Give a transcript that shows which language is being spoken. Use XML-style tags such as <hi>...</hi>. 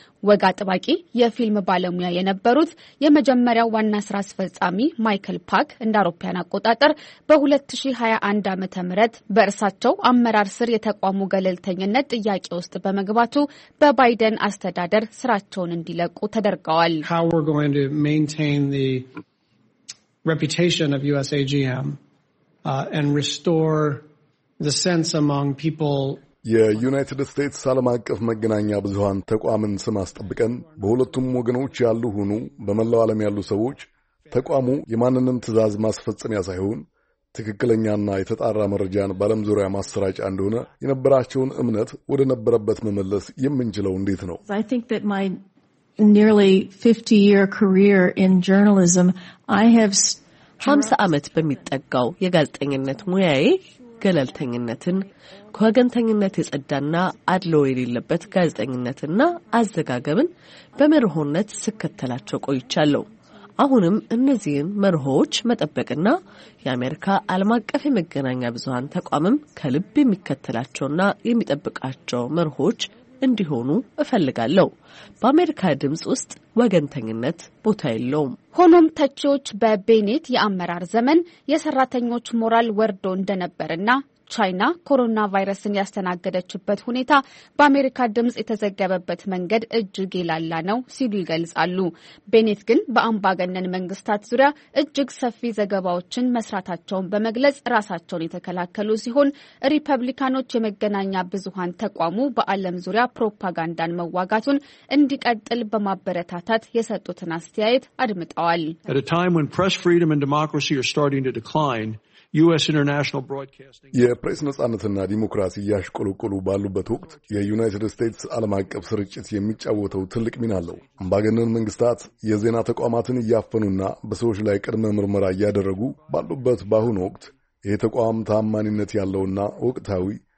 <am>ወግ አጥባቂ የፊልም ባለሙያ የነበሩት የመጀመሪያው ዋና ስራ አስፈጻሚ ማይክል ፓክ እንደ አውሮፓውያን አቆጣጠር በ2021 ዓ.ም በእርሳቸው አመራር ስር የተቋሙ ገለልተኝነት ጥያቄ ውስጥ በመግባቱ በባይደን አስተዳደር ስራቸውን እንዲለቁ ተደርገዋል።</am> <en>How we're going to maintain the reputation of USAGM and restore the sense among people.</en> <am>የዩናይትድ ስቴትስ ዓለም አቀፍ መገናኛ ብዙሃን ተቋምን ስም አስጠብቀን በሁለቱም ወገኖች ያሉ ሆኑ በመላው ዓለም ያሉ ሰዎች ተቋሙ የማንንም ትዕዛዝ ማስፈጸሚያ ሳይሆን ትክክለኛና የተጣራ መረጃን በዓለም ዙሪያ ማሰራጫ እንደሆነ የነበራቸውን እምነት ወደ ነበረበት መመለስ የምንችለው እንዴት ነው?</am> <en>I think that my nearly 50-year career in journalism, I have</en> <am>50 ዓመት በሚጠጋው የጋዜጠኝነት ሙያዬ ገለልተኝነትን ከወገንተኝነት የጸዳና አድሎ የሌለበት ጋዜጠኝነትና አዘጋገብን በመርሆነት ስከተላቸው ቆይቻለሁ። አሁንም እነዚህን መርሆዎች መጠበቅና የአሜሪካ ዓለም አቀፍ የመገናኛ ብዙሃን ተቋምም ከልብ የሚከተላቸውና የሚጠብቃቸው መርሆዎች እንዲሆኑ እፈልጋለሁ። በአሜሪካ ድምጽ ውስጥ ወገንተኝነት ቦታ የለውም። ሆኖም ተቺዎች በቤኔት የአመራር ዘመን የሰራተኞች ሞራል ወርዶ እንደነበርና ቻይና ኮሮና ቫይረስን ያስተናገደችበት ሁኔታ በአሜሪካ ድምጽ የተዘገበበት መንገድ እጅግ ይላላ ነው ሲሉ ይገልጻሉ። ቤኔት ግን በአምባገነን መንግስታት ዙሪያ እጅግ ሰፊ ዘገባዎችን መስራታቸውን በመግለጽ ራሳቸውን የተከላከሉ ሲሆን፣ ሪፐብሊካኖች የመገናኛ ብዙሃን ተቋሙ በዓለም ዙሪያ ፕሮፓጋንዳን መዋጋቱን እንዲቀጥል በማበረታታት የሰጡትን አስተያየት አድምጠዋል።</am> <en>At a time when press freedom and democracy are starting to decline, US International Broadcasting</en> <am>የፕሬስ ነጻነትና ዲሞክራሲ ያሽቆለቆሉ ባሉበት ወቅት የዩናይትድ ስቴትስ ዓለም አቀፍ ስርጭት የሚጫወተው ትልቅ ሚና አለው። አምባገነን መንግስታት የዜና ተቋማትን ያፈኑና በሰዎች ላይ ቅድመ ምርመራ ያደረጉ ባሉበት ባሁን ወቅት የተቋም ታማኝነት ያለውና ወቅታዊ</am>